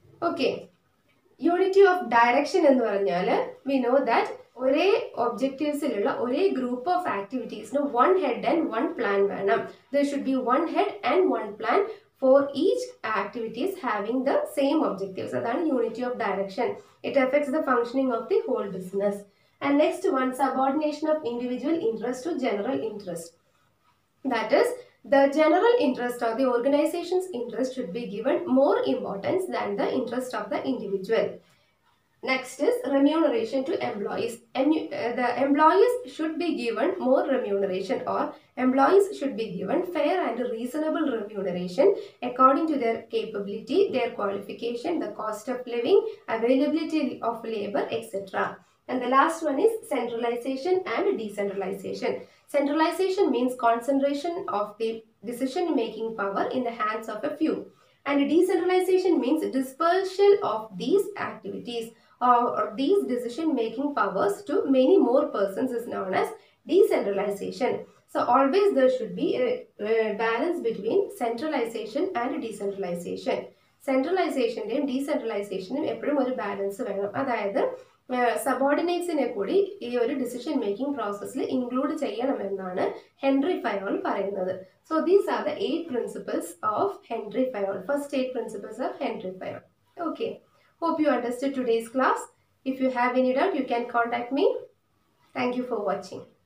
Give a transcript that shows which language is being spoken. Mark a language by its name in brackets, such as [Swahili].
[Malayalam] Okay, unity of direction എന്ന് പറഞ്ഞാൽ [English] we know that [Malayalam] ഒരേ ഒബ്ജക്റ്റീവ്സിലുള്ള ഒരേ group of ആക്ടിവിറ്റീസിന് [English] one head and one plan [Malayalam] വേണം. [English] There should be one head and one plan for each activities having the same objectives. So that is unity of direction. It affects the functioning of the whole business. And next one, subordination of individual interest to general interest. That is, the general interest or the organization's interest should be given more importance than the interest of the individual. Next is remuneration to employees. The employees should be given more remuneration, or employees should be given fair and reasonable remuneration according to their capability, their qualification, the cost of living, availability of labor, etc. And the last one is centralization and decentralization. Centralization means concentration of the decision making power in the hands of a few. And decentralization means dispersal of these activities or these decision-making powers to many more persons is known as decentralization. So always there should be a balance between centralization and decentralization. [Malayalam] Centralization-ന്റെയും decentralization-ന്റെയും എപ്പോഴും ഒരു balance വേണം. അതായത് സബോർഡിനേറ്റ്സിനെ കൂടി ഈ ഒരു decision making പ്രോസസ്സിൽ include ചെയ്യണമെന്നാണ് Henry Fayol പറയുന്നത്. [English] So these are the 8 principles of Henri Fayol, first 8 principles of Henri Fayol. Okay, hope you understood today's class. If you have any doubt, you can contact me. Thank you for watching.